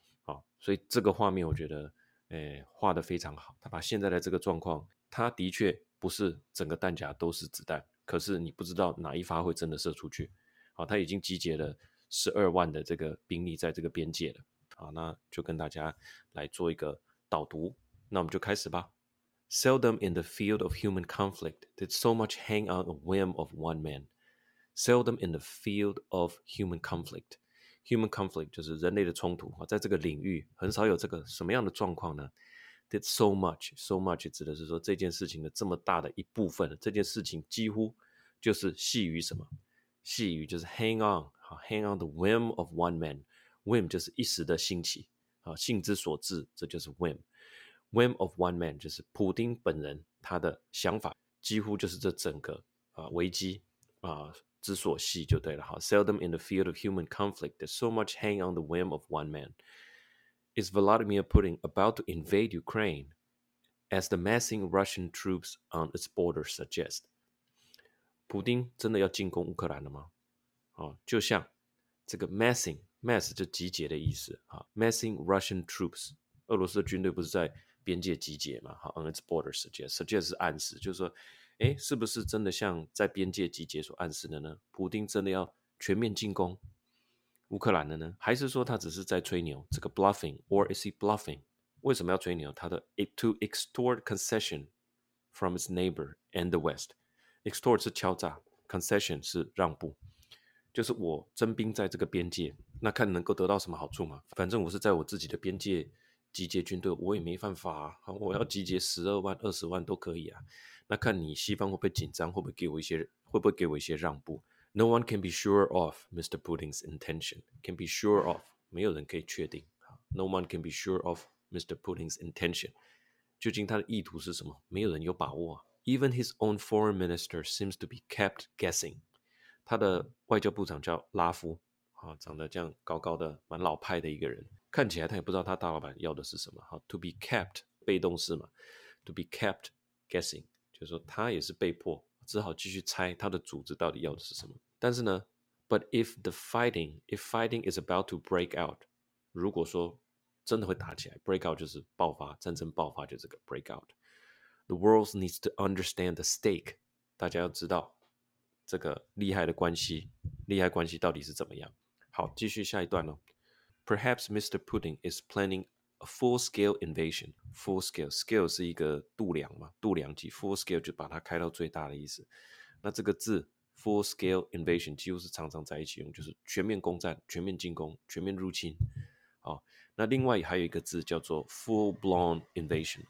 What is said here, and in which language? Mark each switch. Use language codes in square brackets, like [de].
[zh] 好，所以这个画面我觉得画得非常好。他把现在的这个状况，他的确不是整个弹夹都是子弹，可是你不知道哪一发会真的射出去。好，他已经集结了120,000的这个兵力在这个边界了。好，那就跟大家来做一个导读，那我们就开始吧。 [en] Seldom in the field of human conflict did so much hang on a whim of one man. Seldom in the field of human conflict. Human conflict [zh] 就是人类的冲突，在这个领域很少有这个什么样的状况呢？ [en] Did so much, so much [zh] 指的是说这件事情的这么大的一部分，这件事情几乎就是系于什么？系于就是 [en] hang on the whim of one man. [zh] Whim 就是一时的兴起，兴之所至，这就是 whim。 [en] Whim of one man [zh] 就是普丁本人他的想法，几乎就是这整个危机之所系就对了。 [en] 好， Seldom in the field of human conflict there's so much hang on the whim of one man. Is Vladimir Putin about to invade Ukraine as the massing Russian troops on its border suggest? [zh] 普丁真的要进攻乌克兰了吗？就像这个 massing 就集结的意思， [en] massing Russian troops， [zh] 俄罗斯的军队不是在边界集结嘛？ On its border suggest 是暗示，就是说是不是真的像在边界集结所暗示的呢？普丁真的要全面进攻乌克兰的呢？还是说他只是在吹牛，这个 [en] bluffing or is he bluffing？ [zh] 为什么要吹牛？他的 [en] to extort concession from its neighbor and the west， [zh] extort 是敲诈， concession 是让步，就是我征兵在这个边界，那看能够得到什么好处嘛？反正我是在我自己的边界集结军队，我也没办法啊，我要集结120,000、200,000都可以啊，那看你西方会不会紧张，会不会给我一些让步。 [en] No one can be sure of Mr. Putin's intention. Can be sure of， [zh] 没有人可以确定。 [en] No one can be sure of Mr. Putin's intention， [zh] 究竟他的意图是什么，没有人有把握。 [en] Even his own foreign minister seems to be kept guessing. [zh] 他的外交部长叫拉夫，长得这样高高的，蛮老派的一个人，看起来他也不知道他大老板要的是什么。好， To be kept 被动式嘛， [en] To be kept guessing [zh] 就是说他也是被迫只好继续猜他的组织到底要的是什么。但是呢， [en] But if fighting is about to break out， [zh] 如果说真的会打起来， break out 就是爆发，战争爆发就是个 break out， [en] The world needs to understand the stake， [zh] 大家要知道这个利害的关系，利害关系到底是怎么样。好，继续下一段咯。 [en] Perhaps Mr. Putin is planning a full-scale invasion. [zh] Full-scale, scale 是一个度量嘛，度量级。Full-scale 就把它开到最大的意思。那这个字 [en] full-scale invasion [zh] 几乎是常常在一起用，就是全面攻占、全面进攻、全面入侵。好，那另外还有一个字叫做 [en] full-blown invasion.